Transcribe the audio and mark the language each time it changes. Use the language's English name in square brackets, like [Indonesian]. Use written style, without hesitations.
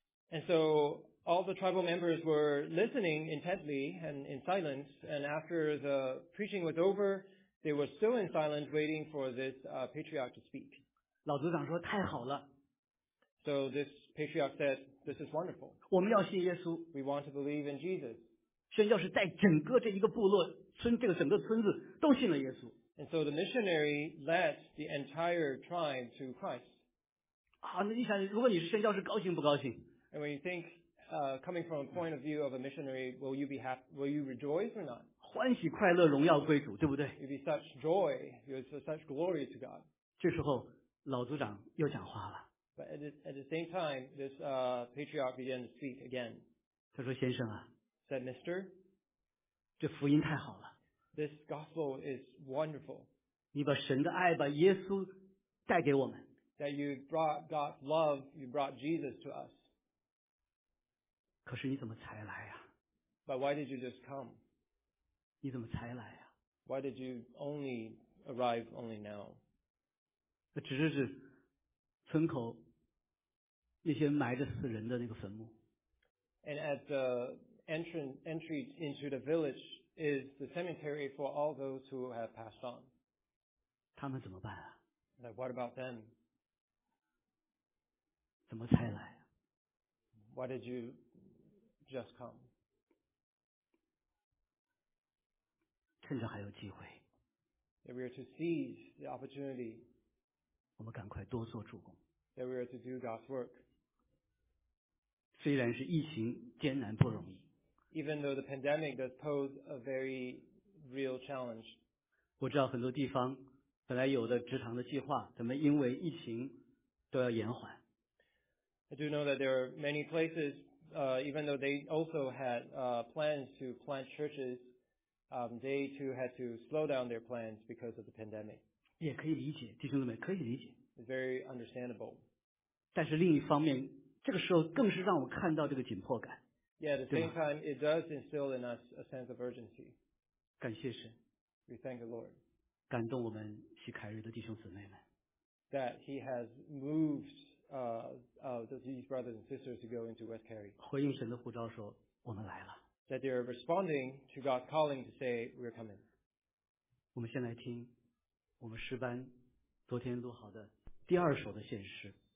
[English] And so all the tribal members were listening intently and in silence. And after the preaching was over, they were still in silence waiting for this patriarch to speak. [Chinese] 老族长说太好了。 [English] So this patriarch said, "This is wonderful." [Chinese] 我们要信耶稣。 [English] We want to believe in Jesus. [Chinese] 宣教士在整个这一个部落村，这个整个村子都信了耶稣。 [English] And so the missionary led the entire tribe to Christ. [Chinese] 啊，那你想，如果你是宣教士，高兴不高兴 [English] ？And when you think, coming from a point of view of a missionary, will you be happy? Will you rejoice or not? [Chinese] 欢喜快乐，荣耀归主，对不对 [English] ？You'd be such joy, you'd be such glory to God. [Chinese] 这时候，老族长又讲话了。 [English] But at the same time, this patriarch began to speak again. [Chinese] 他说：“先生啊。” [English] Said Mister, [Chinese] 这福音太好了。 [English] This gospel is wonderful. [Chinese] 你把神的爱，把耶稣带给我们。 [English] That you brought God's love, you brought Jesus to us. [Chinese] 可是你怎么才来呀 [English] ？But why did you just come? [Chinese] 你怎么才来呀 [English] ？Why did you only arrive only now? [Chinese] 那指着是村口那些埋着死人的那个坟墓。 [English] And at theEntry into the village is the cemetery for all those who have passed on. [Chinese] 他们怎么办啊 [English] Like, what about them? [Chinese] 怎么才来啊 [English] Why did you just come? [Chinese] 趁着还有机会 [English] That we are to seize the opportunity. [Chinese] 我们赶快多做主工 [English] That we are to do God's work. [Chinese] 虽然是疫情艰难不容易 [English] Even though the pandemic does pose a very real challenge, [Chinese] 我知道很多地方本来有的职堂的计划，怎么因为疫情都要延缓。 [English] I do know that there are many places, even though they also had plans to plant churches, they too had to slow down their plans because of the pandemic. [Chinese] 也可以理解，弟兄姊妹可以理解。 [English] It's very understandable. [Chinese] 但是另一方面，这个时候更是让我看到这个紧迫感。 [English] Yeah, at the same time, it does instill in us a sense of urgency. [Chinese] 感谢神。 [English] We thank the Lord. [Chinese] 感动我们去凯瑞的弟兄姊妹们。 [English] That he has moved these brothers and sisters to go into West Cary. [Chinese] 回应神的呼召说我们来了。 [English] That they are responding to God's calling to say we're coming. [Chinese] 我们先来听我们诗班昨天录好的第二首的献诗。